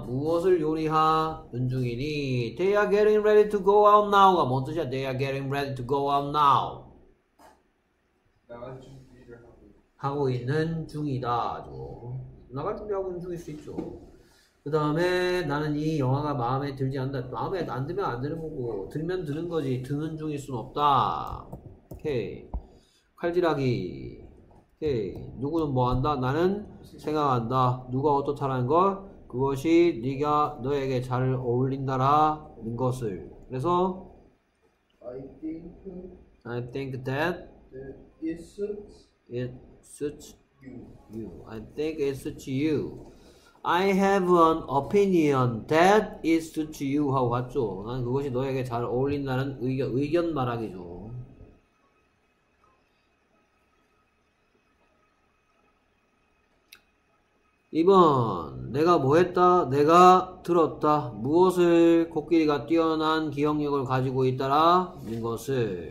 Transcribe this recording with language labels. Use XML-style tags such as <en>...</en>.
<ko>무엇을 요리하는 중이니?</ko> <en>They are getting ready to go out now가</en> <ko>뭔 뜻이야?</ko> <en>They are getting ready to go out now.</en> <ko>나갈 준비를 하고 있는 중이다죠. 나갈 준비하고 있는 중일 수 있죠. 그 다음에 나는 이 영화가 마음에 들지 않는다. 마음에 안 들면 안 드는 거고, 들면 드는 거지. 드는 중일 순 없다. 오케이. 칼질하기. 오케이. 누구는 뭐 한다? 나는 생각한다. 누가 어떻다라는 거? 그것이 네가 너에게 잘 어울린다라는 것을. 그래서</ko> <en>I think I think that it suits it suits you. You. I think it suits you. I have an opinion that it suits you.</en> <ko>하고 갔죠. 난 그것이 너에게 잘 어울린다는 의견 말하기죠. 2번 내가 뭐 했다? 내가 들었다. 무엇을 코끼리가 뛰어난 기억력을 가지고 있다라 는 것을.</ko>